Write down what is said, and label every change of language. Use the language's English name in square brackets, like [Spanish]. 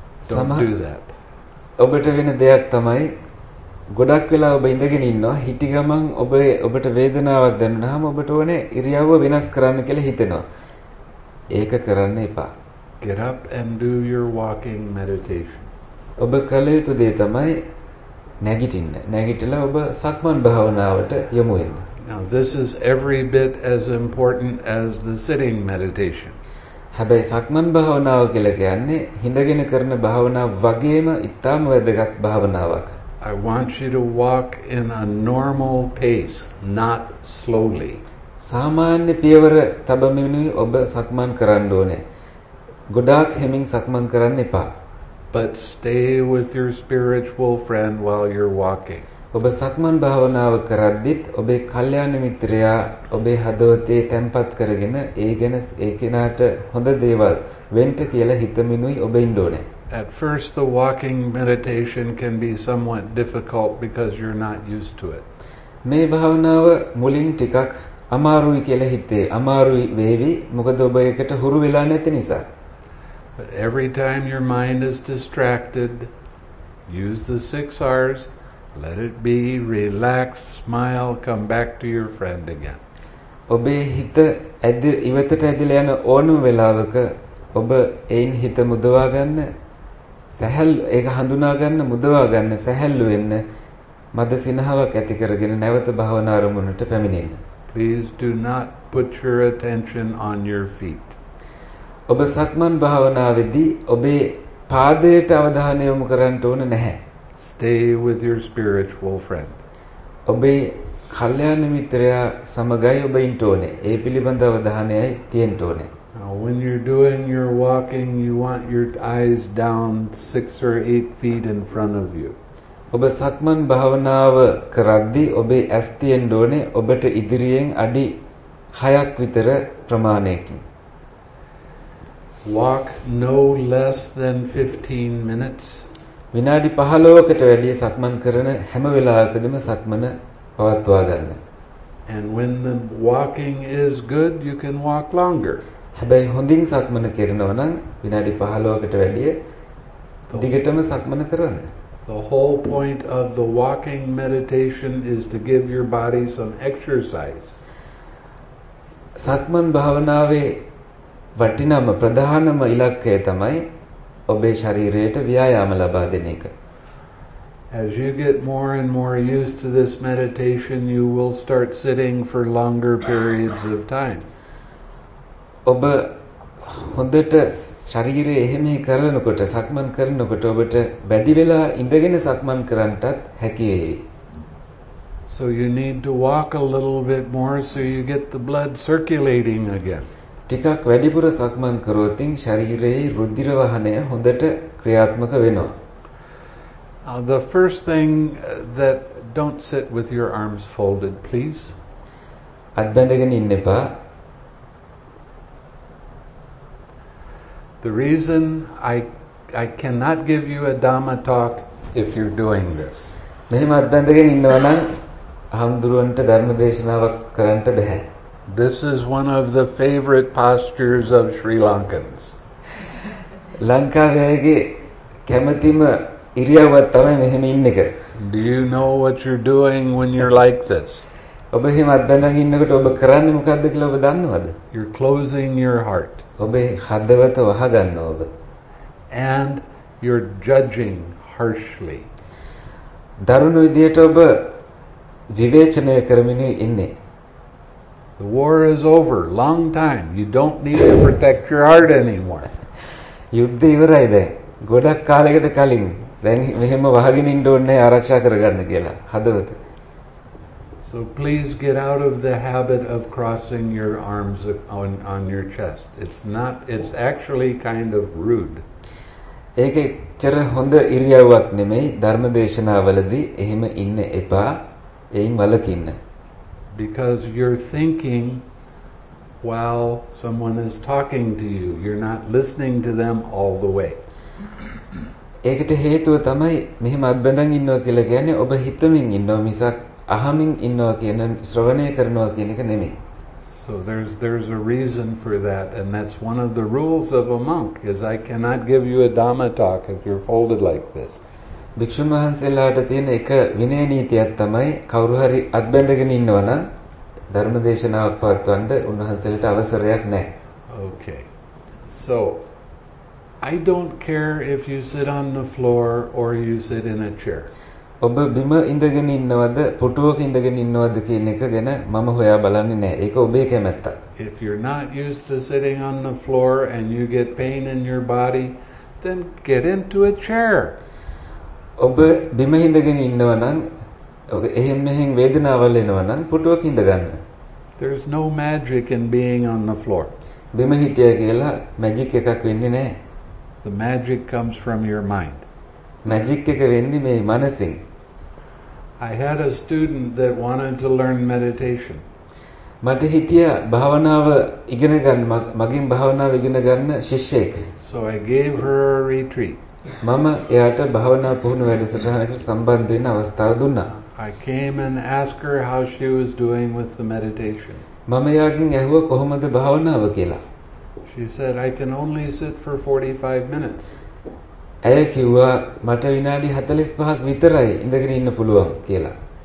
[English] Don't do that. [Sinhala] ඔබට වෙන දෙයක් තමයි ගොඩක් වෙලා ඔබ ඉඳගෙන ඉන්නවා හිටි ගමන් ඔබට වේදනාවක් දැනුනහම ඔබට ඕනේ ඉරියව්ව වෙනස් කරන්න කියලා හිතෙනවා. ඒක කරන්න එපා. [English] Get up and do your walking meditation. [Sinhala] ඔබ කල යුතු දේ තමයි නැගිටින්න. නැගිටලා ඔබ සක්මන් භාවනාවට යොමු වෙන්න. [English] Now this is every bit as important as the sitting meditation. [Sinhala] හැබැයි සක්මන් භාවනාව කියලා කියන්නේ හිඳගෙන කරන භාවනාව වගේම ඉතාම වැදගත් භාවනාවක්. [English] I want you to walk in a normal pace, not slowly. [Sinhala] සාමාන්‍ය පියවර තබමිනුයි ඔබ සක්මන් කරන්න ඕනේ. ගොඩාක් හැමින් සක්මන් කරන්න එපා. [English] But stay with your spiritual friend while you're walking. [Sinhala] ඔබ සක්මන් භාවනාව කරද්දිත් ඔබේ කල්යාණ මිත්‍රයා ඔබේ හදවතේ තැන්පත් කරගෙන ඒගෙන ඒ කෙනාට හොඳ දේවල් වෙන්න කියලා හිතමිනුයි ඔබ ඉන්න ඕනේ. [English] At first the walking meditation can be somewhat difficult because you're not used to it. [Sinhala] මේ භාවනාව මුලින් ටිකක් අමාරුයි කියලා හිතේ. අමාරුයි වේවි. මොකද ඔබ ඒකට හුරු වෙලා නැති නිසා. [English] But every time your mind is distracted, use the 6 R's, let it be, relax, smile, come back to your friend again. [Sinhala] ඔබේ හිත ඉවතට ඇදලා යන ඕනම වෙලාවක ඔබ එයින් හිත මුදවා ගන්න සැහැල් ඒක හඳුනා ගන්න මුදවා ගන්න සැහැල්ලු වෙන්න මද සිනහාවක් ඇති කරගෙන නැවත භවනා ආරම්භුනට පැමිණෙන්න. [English] Please do not put your attention on your feet. [Sinhala] ඔබ සක්මන් භාවනාවේදී ඔබේ පාදයට අවධානය යොමු කරන්න ඕන නැහැ. [English] Stay with your spiritual friend. [Sinhala] ඔබේ කල්යාණ මිත්‍රයා සමගයි ඔබ ඉන්න ඕනේ. ඒ පිළිබඳ අවධානයයි තියෙන්න ඕනේ. [English] Now when you're doing your walking, you want your eyes down 6 or 8 feet in front of you. [Sinhala] ඔබ සක්මන් භාවනාව කරද්දී ඔබේ ඇස් තියෙන්න ඕනේ ඔබට ඉදිරියෙන් අඩි 6ක් විතර ප්‍රමාණයකින්. [English] Walk no less than 15 minutes. [Sinhala] විනාඩි 15කට වැඩිය සක්මන් කරන හැම වෙලාවකදීම සක්මන පවත්වා ගන්න. [English] And when the walking is good, you can walk longer. [Sinhala] හැබැයි හොඳින් සක්මන කරනවා නම් විනාඩි 15කට වැඩිය දිගටම සක්මන කරන්න. [English] The whole point of the walking meditation is to give your body some exercise. [Sinhala] සක්මන් භාවනාවේ වටිනම ප්‍රධානම ඉලක්කය තමයි ඔබේ ශරීරයට ව්‍යායාම ලබා දෙන එක. [English] As you get more and more used to this meditation, you will start sitting for longer periods of time. [Sinhala] ඔබ හොඳට ශරීරය එහෙම කරනකොට සක්මන් කරනකොට ඔබට වැඩි වෙලා ඉඳගෙන සක්මන් කරන්නටත් හැකි වේ. [English] So you need to walk a little bit more so you get the blood circulating again. [Sinhala] ටිකක් වැඩිපුර සක්මන් කරොත් ශරීරයේ රුධිර වහනය හොඳට ක්‍රියාත්මක වෙනවා. [English] The first thing that don't sit with your arms folded, please. [Sinhala] අත් බැඳගෙන ඉන්න එපා. [English] The reason I cannot give you a Dhamma talk if you're doing this. [Sinhala] මෙහෙම අත් බැඳගෙන ඉන්නවා නම් හඳුරුවන්ට ධර්ම දේශනාවක් කරන්න බැහැ. [English] This is one of the favorite postures of Sri Lankans. [Sinhala] ලංකාවේගේ කැමැතිම ඉරියව්වක් තමයි මෙහෙම ඉන්න එක. [English] Do you know what you're doing when you're like this? [Sinhala] ඔබ එහෙම අත් බැඳගෙන ඉන්නකොට ඔබ කරන්නේ මොකද්ද කියලා ඔබ දන්නවද? [English] You're closing your heart. [Sinhala] ඔබේ හදවත වහගන්නවා ඔබ. [English] And you're judging harshly. [Sinhala] දරුණු විදියට ඔබ විවේචනය කරමින් ඉන්නේ. [English] The war is over, long time. You don't need to protect your heart anymore. [Sinhala] යුද්ධ ඉවරයි දැන්. ගොඩක් කාලයකට කලින් දැන් මෙහෙම වහගෙන ඉන්න ඕනේ ආරක්ෂා කරගන්න කියලා හදවත. [English] So please get out of the habit of crossing your arms on your chest. It's actually kind of rude. [Sinhala] ඒකේ චර හොඳ ඉරියව්වක් නෙමෙයි ධර්මදේශනාවලදී එහෙම ඉන්න එපා. එයින් වලකින්න. [English] Because you're thinking while someone is talking to you. You're not listening to them all the way. [Sinhala] ඒකට හේතුව තමයි මෙහෙම අත් බැඳන් ඉන්නවා කියලා කියන්නේ ඔබ හිතමින් ඉන්නවා මිසක් අහමින් ඉන්නවා කියන ශ්‍රවණය කරනවා කියන එක නෙමෙයි. [English] So there's a reason for that and that's one of the rules of a monk is I cannot give you a Dhamma talk if you're folded like this. [Sinhala] භික්ෂුන් වහන්සේලාට තියෙන එක විනය නීතියක් තමයි කවුරු හරි අත් බැඳගෙන ඉන්නවා නම් ධර්ම දේශනාවක් පවත්වන්න උන්වහන්සේලට අවසරයක් නැහැ. [English] Okay. So I don't care if you sit on the floor or you sit in a chair. [Sinhala] ඔබ බිම ඉඳගෙන ඉන්නවද පුටුවක ඉඳගෙන ඉන්නවද කියන එක ගැන මම හොයා බලන්නේ නැහැ. ඒක ඔබේ කැමැත්තක්. [English] If you're not used to sitting on the floor and you get pain in your body, then get into a chair. [Sinhala] ඔබ බිම ඉඳගෙන ඉන්නව නම් ඔක එහෙම මෙහෙම වේදනාවල් එනවා නම් පුටුවක ඉඳ ගන්න. [English] There's no magic in being on the floor. [Sinhala] බිම හිටිය කියලා මැජික් එකක් වෙන්නේ නැහැ. [English] The magic comes from your mind. [Sinhala] Magic එක වෙන්නේ මේ මනසින්. [English] I had a student that wanted to learn meditation. [Sinhala] මට හිටිය භාවනාව ඉගෙන ගන්න මගින් භාවනාව ඉගෙන ගන්න ශිෂ්‍යයෙක්. [English] So I gave her a retreat. [Sinhala] මම එයාට භාවනා පුහුණු වැඩසටහනකට සම්බන්ධ වෙන්න අවස්ථාව දුන්නා. [English] I came and asked her how she was doing with the meditation. [Sinhala] මම එයාගෙන් ඇහුවා කොහොමද භාවනාව කියලා. [English] She said I can only sit for 45 minutes. [Sinhala] ඇය කිව්වා මට විනාඩි 45ක් විතරයි ඉඳගෙන ඉන්න පුළුවන් කියලා.